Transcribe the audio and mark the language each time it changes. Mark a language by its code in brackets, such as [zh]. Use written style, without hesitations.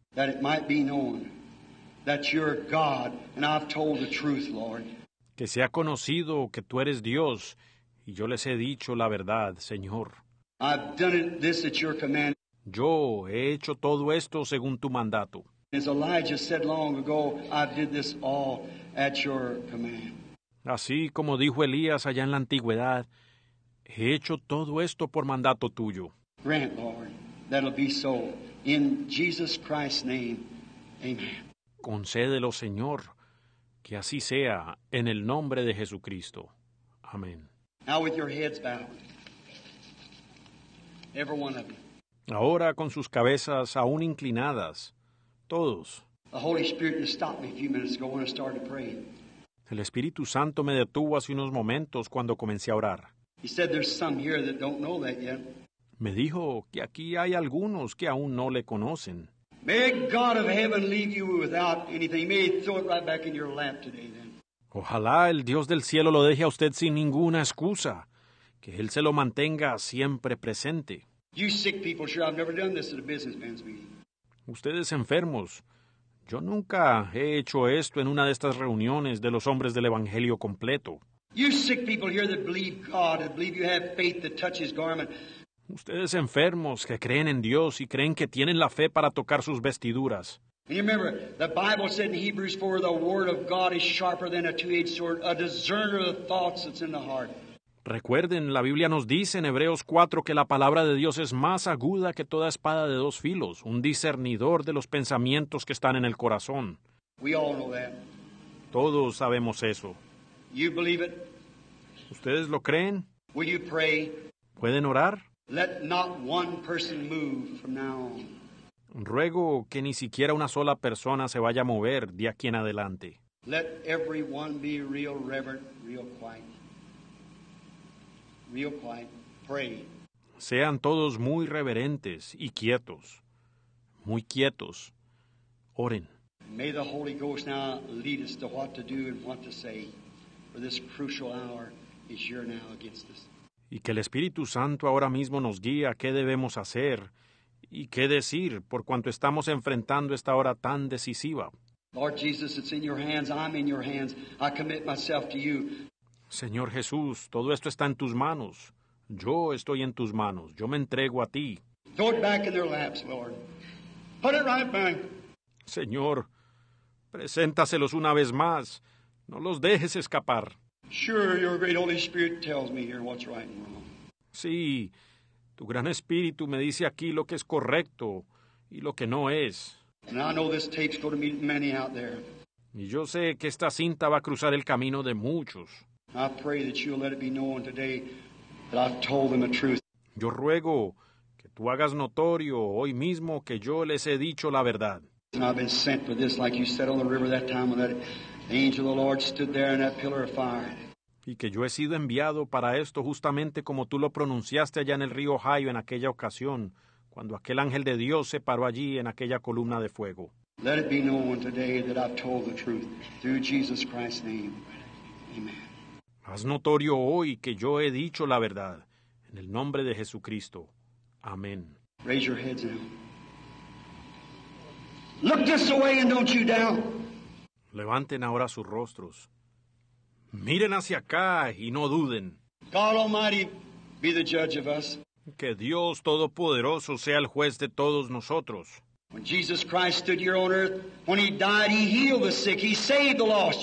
[en] That it might be known that you're God and I've told the truth, Lord. [es] Que sea conocido que tú eres Dios y yo les he dicho la verdad, Señor. [en] I've done it, this at your command. [es] Yo he hecho todo esto según tu mandato. [en] As Elijah said long ago, I did this all at your command. [es] Así como dijo Elías allá en la antigüedad, he hecho todo esto por mandato tuyo. [en] Grant, Lord, that it'll be so. In Jesus Christ's name, amen. [es] Concédelo, Señor, que así sea en el nombre de Jesucristo. Amén. [en] Now with your heads bowed. Every one of you. [es] Ahora con sus cabezas aún inclinadas, todos. [en] The Holy Spirit just stopped me a few minutes ago when I started to pray. [es] El Espíritu Santo me detuvo hace unos momentos cuando comencé a orar. [en] He said there's some here that don't know that yet. [es] Me dijo que aquí hay algunos que aún no le conocen. [en] May God of heaven leave you without anything. May he throw it right back in your lap today then. [es] Ojalá el Dios del cielo lo deje a usted sin ninguna excusa. Que Él se lo mantenga siempre presente. [en] You sick people, sure, I've never done this at a businessman's meeting. [es] Ustedes enfermos, yo nunca he hecho esto en una de estas reuniones de los hombres del Evangelio completo. [en] You sick people here that believe God, that believe you have faith to touch His garment. [es] Ustedes enfermos que creen en Dios y creen que tienen la fe para tocar sus vestiduras. [en] You remember, the Bible said in Hebrews 4, the word of God is sharper than a two-edged sword, a discerner of the thoughts that's in the heart. [es] Recuerden, la Biblia nos dice en Hebreos 4 que la palabra de Dios es más aguda que toda espada de dos filos, un discernidor de los pensamientos que están en el corazón. [en] We all know that. [es] Todos sabemos eso. [en] You believe it? [es] ¿Ustedes lo creen? [en] Will you pray? [es] ¿Pueden orar? [en] Let not one person move from now on. [es] Ruego que ni siquiera una sola persona se vaya a mover de aquí en adelante. [en] Let everyone be real reverent, real quiet. Real quiet. Pray. [es] Sean todos muy reverentes y quietos. Muy quietos. Oren. [en] May the Holy Ghost now lead us to what to do and what to say. For this crucial hour is here now against us. [es] Y que el Espíritu Santo ahora mismo nos guíe a qué debemos hacer y qué decir por cuanto estamos enfrentando esta hora tan decisiva. [en] Lord Jesus, it's in your hands. I'm in your hands. I commit myself to you. [es] Señor Jesús, todo esto está en tus manos. Yo estoy en tus manos. Yo me entrego a ti. [en] Throw it back in their laps, Lord. Put it right back. [es] Señor, preséntaselos una vez más. No los dejes escapar. [en] Sure, your great Holy Spirit tells me here what's right and wrong. [es] Sí, tu gran Espíritu me dice aquí lo que es correcto y lo que no es. [en] And I know this tape's going to meet many out there. [es] Y yo sé que esta cinta va a cruzar el camino de muchos. [en] I pray that you'll let it be known today that I've told them the truth. [es] Yo ruego que tú hagas notorio hoy mismo que yo les he dicho la verdad. [en] And I've been sent for this, like you said on the river that time when that angel of the Lord stood there in that pillar of fire. [es] Y que yo he sido enviado para esto justamente como tú lo pronunciaste allá en el río Ohio en aquella ocasión, cuando aquel ángel de Dios se paró allí en aquella columna de fuego. [en] Let it be known today that I've told the truth through Jesus Christ's name. Amen. [es] Haz notorio hoy que yo he dicho la verdad en el nombre de Jesucristo. Amén. [en] Raise your heads now. Look this way and don't you doubt. [es] Levanten ahora sus rostros. Miren hacia acá y no duden. [en] God Almighty be the judge of us. [es] Que Dios Todopoderoso sea el juez de todos nosotros. [en] When Jesus Christ stood here on earth, when he died, he healed the sick, he saved the lost.